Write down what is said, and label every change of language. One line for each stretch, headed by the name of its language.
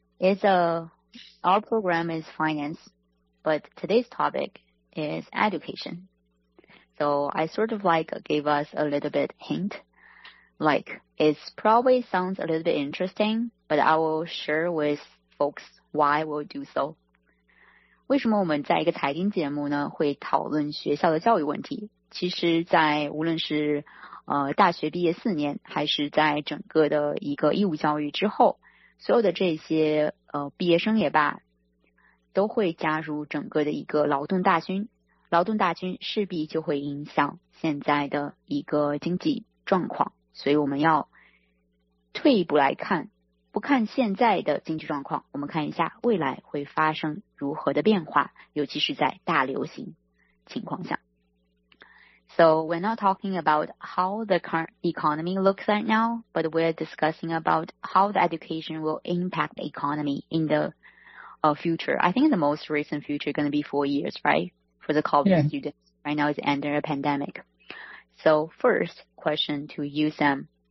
English: Our program is finance, but today's topic is education. So I sort of like gave us a little bit hint. Like, it probably sounds a little bit interesting, but I will share with folks why we'll do so.
Chinese: 为什么我们在一个财经节目呢会讨论学校的教育问题？其实在无论是大学毕业四年，还是在整个的一个义务教育之后，所有的这些毕业生也罢，都会加入整个的一个劳动大军。劳动大军势必就会影响现在的一个经济状况，所以我们要退一步来看，不看现在的经济状况，我们看一下未来会发生如何的变化，尤其是在大流行情况下。
English: So we're not talking about how the current economy looks right now, but we're discussing about how the education will impact the economy in the future. I think the most recent future is going to be 4 years, right? For the college yeah. students. Right now it's under a pandemic. So first question to you, Sam.